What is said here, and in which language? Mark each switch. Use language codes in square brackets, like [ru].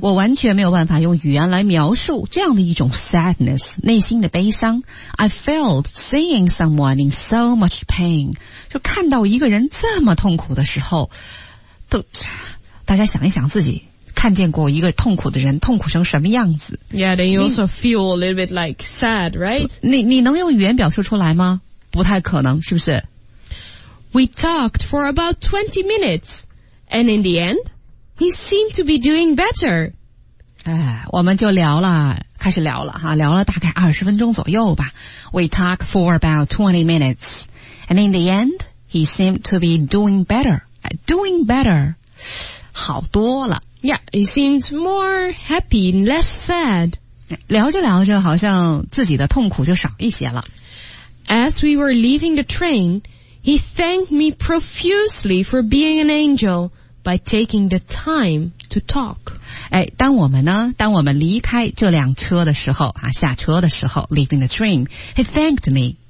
[zh] 我完全没有办法用语言来描述这样的一种 sadness， 内心的悲伤。 [en] I felt seeing someone in so much pain. [zh] 就看到一个人这么痛苦的时候，都大家想一想自己看见过一个痛苦的人痛苦成什么样子。 [en] Yeah, then you also feel a little bit like sad, right? [zh] 你能用语言表述出来吗？不太可能，是不是？ [en] We talked for about 20 minutes, and in the end, he seemed to be doing better. [zh] 哎，我们就聊了，开始聊了哈，聊了大概20分钟左右吧。 [en] We talked for about 20 minutes, and in the end, he seemed to be doing better. Doing better, [zh] 好多了。 [en] Yeah, he seems more happy, less sad. [zh] 聊着聊着，好像自己的痛苦就少一些了。 [en] As we were leaving the train, he thanked me profusely for being an angel by taking the time to talk. [zh] 哎，当我们离开这辆车的时候啊，下车的时候 ， [en] leaving the train, he thanked me.